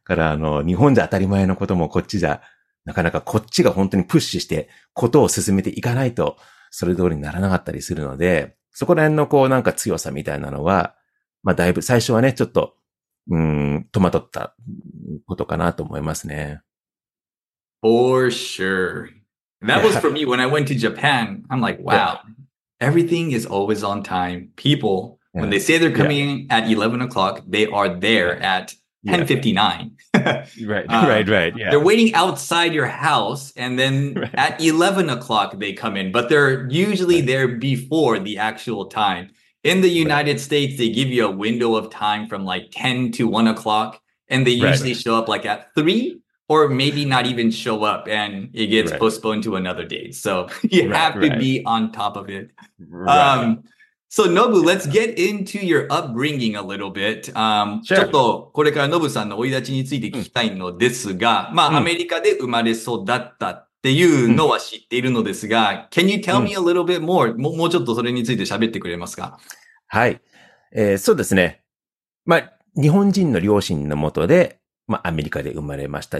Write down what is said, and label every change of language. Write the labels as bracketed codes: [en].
[ja] からあの、日本じゃ当たり前のこともこっちじゃ、なかなかこっちが本当にプッシュしてことを進めていかないと、それ通りにならなかったりするので、そこら辺のこうなんか強さみたいなのは、まあだいぶ最初はね、ちょっと、戸惑ったことかなと思いますね。 [en] For sure. That was for me when I went to Japan. I'm like, wow, everything is always on time. People, when they say they're coming at 11 o'clock, they are there at 10:59. right. Yeah. They're waiting outside your house and then at 11 o'clock they come in, but they're usually there before the actual time. In the United States, they give you a window of time from like 10 to 1 o'clock and they usually show up like at 3 or maybe not even show up and it gets postponed to another day. So you have to be on top of it. So, Nobu, let's get into your upbringing a little bit. [ja] ちょっとこれから Nobu さんの生い立ちについて聞きたいのですが、まあ、アメリカで生まれ育ったっていうのは知っているのですが、 [en] Can you tell me a little bit more? [ja] もうちょっとそれについて喋ってくれますか？はい。そうですね。まあ、日本人の両親のもとで、まあ、アメリカで生まれました。